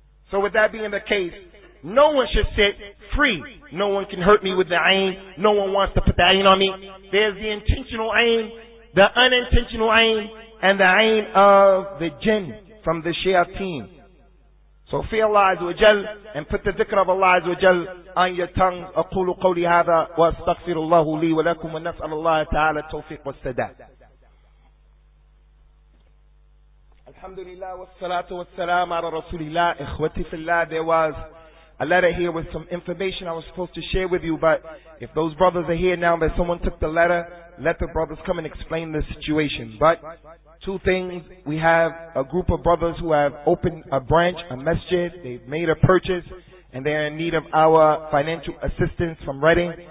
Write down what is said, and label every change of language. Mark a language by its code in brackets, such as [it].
[en] So with that being the case, no one should sit free. No one can hurt me with the ayn. No one wants to put the ayn on me. There's the intentional ayn, the unintentional ayn, and the ayn of the jinn from the shayateen. So fear Allah Azza wa Jal and put the dhikr of Allah Azza wa Jal on your tongue. [ar] أقول قولي هذا وأستغفر الله لي ولكم ونسأل الله تعالى التوفيق والسداد. الحمد لله والصلاة والسلام على رسول الله. إخوتي في الله, [en] there was a letter here with some information I was supposed to share with you, but if those brothers are here now, that someone took the letter, let the brothers come and explain the situation. But two things, we have a group of brothers who have opened a branch, a masjid, they've made a purchase, and they're in need of our financial assistance from Reading.